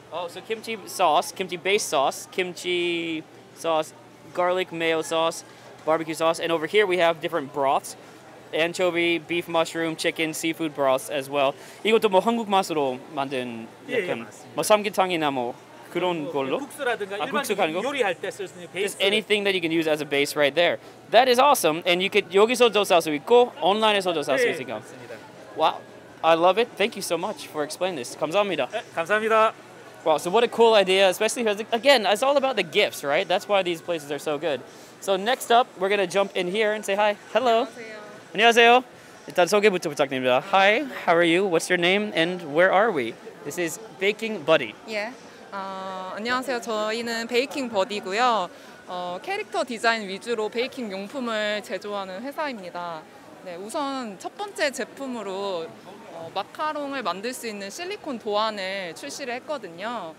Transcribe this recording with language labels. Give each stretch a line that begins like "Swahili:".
English: Oh, so kimchi sauce, kimchi base sauce, kimchi sauce, garlic mayo sauce, barbecue sauce. And over here we have different broths. Anchovy, beef mushroom, chicken, seafood broths as well.
Korean: 이것도 뭐 한국 맛으로 만든 약간 뭐 삼계탕이나 뭐 그런 걸로? 국수라든가 일반적인 요리할 때 쓸 수 있는 베이스.
English: Just anything that you can use as a base right there. That is awesome. And you could
Korean: 여기서도 살 수 있고 온라인에서도 살 수 있으니까. 네, 맞습니다.
English: Wow. I love it. Thank you so much for explaining this.
Korean: 감사합니다. 네, 감사합니다.
English: Wow, so what a cool idea, especially because, again, it's all about the gifts, right? That's why these places are so good. So next up, we're going to jump in here and say hi. Hello.
Korean: 안녕하세요. 안녕하세요. 일단 소개부터 부탁드립니다.
English: Hi, how are you? What's your name and where are we? This is Baking Buddy. Yeah.
Korean: 안녕하세요. 저희는 베이킹 버디고요. 캐릭터 디자인 위주로 베이킹 용품을 제조하는 회사입니다. 네, 우선 첫 번째 제품으로 마카롱을 만들 수 있는 실리콘 도안을 출시를 했거든요.